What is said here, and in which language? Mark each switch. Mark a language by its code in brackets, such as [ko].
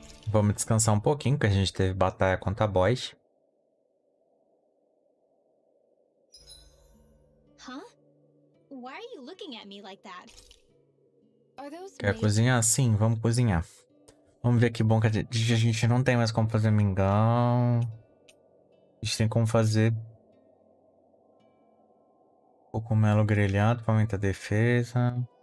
[pt] Vamos descansar um pouquinho, que a gente teve batalha contra boys. Huh? [en] Why are you looking at me like that? Are those [pt] Quer cozinhar? Sim, vamos cozinhar. Vamos ver que bom que a gente não tem mais como fazer mingau. A gente tem como fazer o cogumelo grelhado para aumentar a defesa.